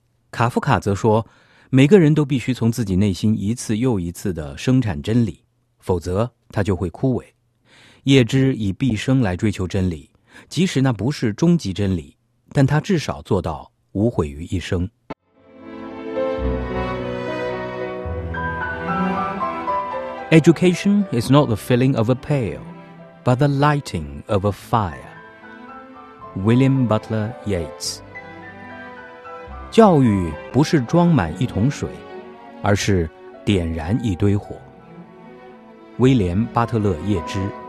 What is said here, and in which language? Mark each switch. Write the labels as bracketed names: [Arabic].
[Chinese] 卡夫卡则说，每个人都必须从自己内心一次又一次地生产真理，否则他就会枯萎。叶芝以毕生来追求真理，即使那不是终极真理，但他至少做到无悔于一生。 [English] Education is not the filling of a pail, but the lighting of a fire. William Butler Yeats。 [Chinese] 教育不是装满一桶水，而是点燃一堆火。威廉·巴特勒·叶芝。